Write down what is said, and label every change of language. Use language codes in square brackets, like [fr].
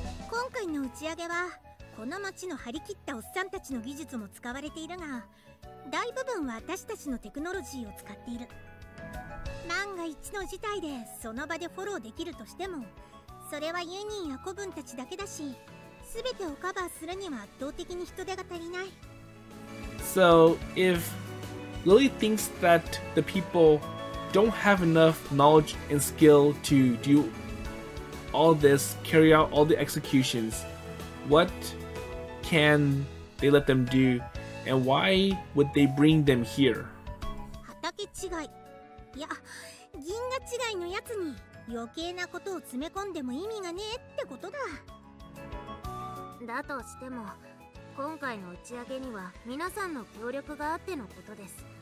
[ja] 今回の打ち上げは、この町の張り切ったおっさんたちの技術も使われているが、大部分は私たちのテクノロジーを使っている。万が一の事態でその場でフォローできるとしても、それはユニーや子分たちだけだし、すべてをカバーするには圧倒的に人手が足りない。 [en] So, if Lily thinks that the people don't have enough knowledge and skill to do all this, carry out all the executions, what can they let them do? And why would they bring them here? [ja] 畑違い、いや、銀河違いのやつに。余計なことを詰め込んでも意味がねえってことだ。だとしても今回の打ち上げには皆さんの協力があってのことです。